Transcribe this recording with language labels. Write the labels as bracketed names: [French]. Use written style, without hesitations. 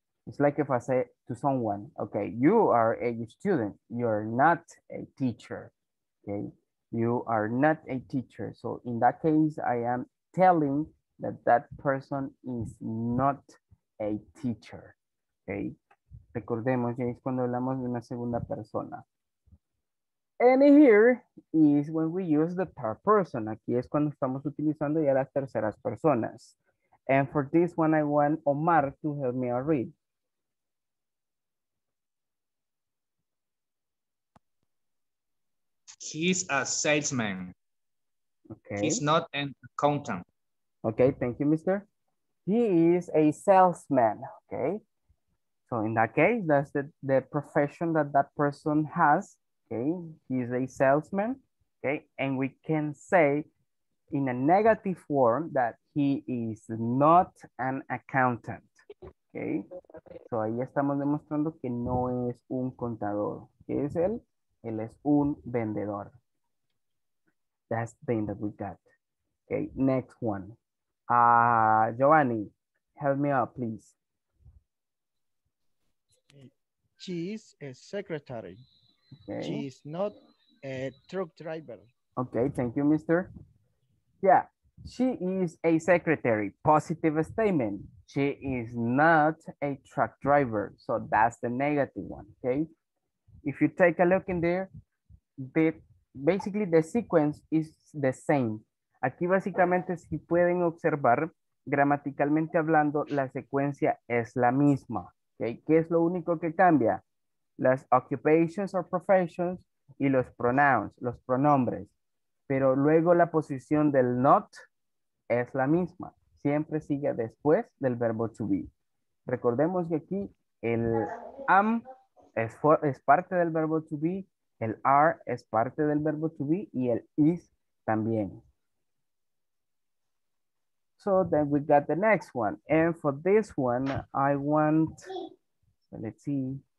[English] It's like if I say to someone, okay, you are a student, you are not a teacher, okay? You are not a teacher. So in that case, I am telling that that person is not a teacher, okay? [Spanish] Recordemos, ya es cuando hablamos de una segunda persona. [English] And here is when we use the third person. [Spanish] Aquí es cuando estamos utilizando ya las terceras personas. [English] And for this one, I want Omar to help me out read. He's a salesman. Okay. He's not an accountant. Okay, thank you, mister. He is a salesman, okay? So in that case, that's the profession that that person has. Okay, he's a salesman, okay? And we can say in a negative form that he is not an accountant, okay? [Spanish] So ahí estamos demostrando que no es un contador. ¿Qué es él? Él es un vendedor. [English] That's the thing that we got. Okay, next one. Giovanni, help me out, please. She is a secretary. Okay. She is not a truck driver. Okay, thank you, mister. Yeah, she is a secretary. Positive statement. She is not a truck driver. So that's the negative one, okay? If you take a look in there, basically the sequence is the same. [Spanish] Aquí básicamente si pueden observar, gramaticalmente hablando, la secuencia es la misma. Okay? ¿Qué es lo único que cambia? Las [English] occupations or professions [Spanish] y los [English] pronouns, [Spanish] los pronombres. Pero luego la posición del not es la misma. Siempre sigue después del verbo to be. Recordemos que aquí el am es parte del verbo to be, el are es parte del verbo to be y el is también. [English] So then we got the next one. And for this one, I want, so let's see.